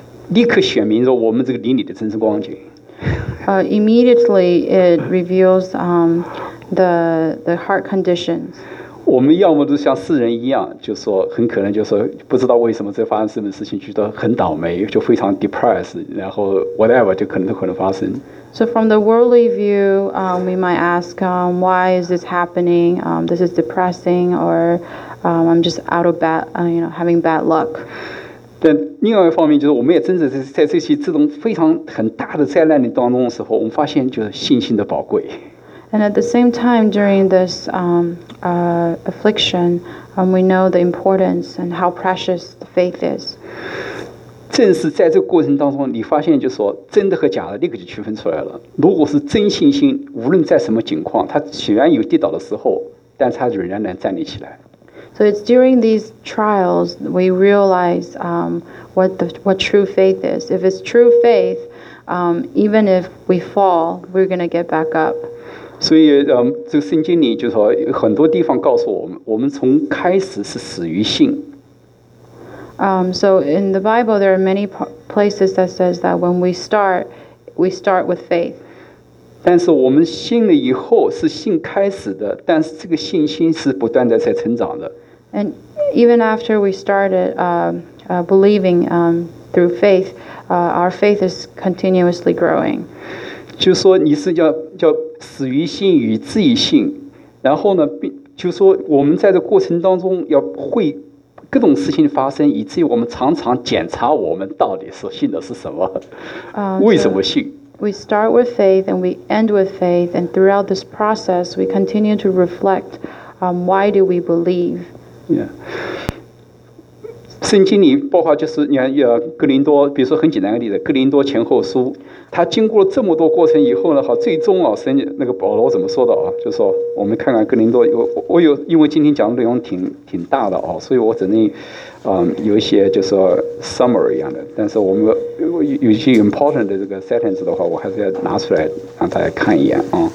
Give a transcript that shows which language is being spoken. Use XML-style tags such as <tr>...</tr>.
<zh>立刻显明说我们这个邻里的真实光景。</zh> <en>Immediately it reveals the heart conditions.</en> <zh>我们要么都像世人一样，就说很可能就说不知道为什么在发生什么事情，觉得很倒霉，就非常 depressed， 然后 whatever 就可能发生。</zh> <en>So from the worldly view, we might ask, why is this happening? This is depressing, or I'm just out of bad, having bad luck.</en> <zh>但另外一方面，就是我们也真的是在这种非常很大的灾难的当中的时候，我们发现就是信心的宝贵。</zh> <en>And at the same time, during this affliction, we know the importance and how precious the faith is.</en> <zh>正是在这个过程当中，你发现就是说真的和假的立刻就区分出来了。如果是真信心，无论在什么情况，它虽然有跌倒的时候，但是它仍然能站立起来。</zh> <en>So it's during these trials we realize what true faith is. If it's true faith, even if we fall, we're going to get back up.</en> <zh>所以，这个圣经里就是说，很多地方告诉我们，我们从开始是始于信。</zh> <en>So in the Bible, there are many places that says that when we start with faith.</en> <zh>但是我们信了以后是信开始的，但是这个信心是不断的在成长的。</zh> <en>And even after we started believing through faith, our faith is continuously growing.</en> <zh>就是说你是叫始于信与至于信，然后呢，就是说我们在这过程当中要会各种事情发生，以至于我们常常检查我们到底是信的是什么，为什么信。</zh> <en>We start with faith and we end with faith, and throughout this process, we continue to reflect, why do we believe? Yeah.</en> <zh>圣经里包括就是你看哥林多，比如说很简单的例子，哥林多前后书，他经过了这么多过程以后呢，好，最终啊，神那个保罗怎么说的啊？就是说我们看看哥林多，我有因为今天讲的内容挺大的啊，所以我只能有一些就是说 summary 一样的，但是我们有一些 important 的这个 sentence 的话，我还是要拿出来让大家看一眼啊。</zh>